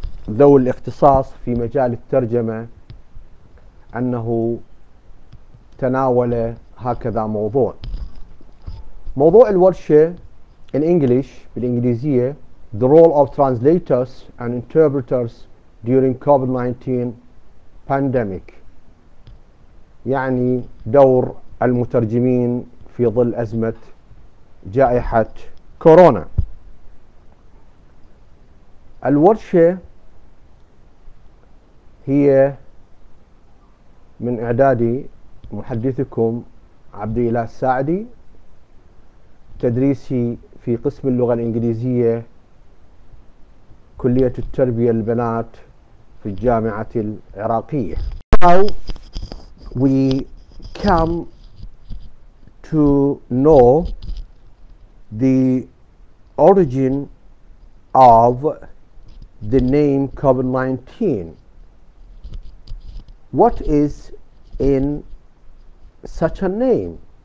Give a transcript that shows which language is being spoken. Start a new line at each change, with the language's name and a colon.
Arabic: ذوي الاختصاص في مجال الترجمة أنه تناول هكذا موضوع. موضوع الورشة
English: in English,
Arabic: بالإنجليزية,
English: The role of translators and interpreters during COVID-19 pandemic.
Arabic: يعني دور المترجمين في ظل أزمة جائحة كورونا. الورشة هي من إعدادي محدثكم عبدالإله الساعدي تدريسي في قسم اللغة الإنجليزية كلية التربية للبنات في الجامعة العراقية.
English: Now we come to know the origin of the name COVID-19. What is in such a name?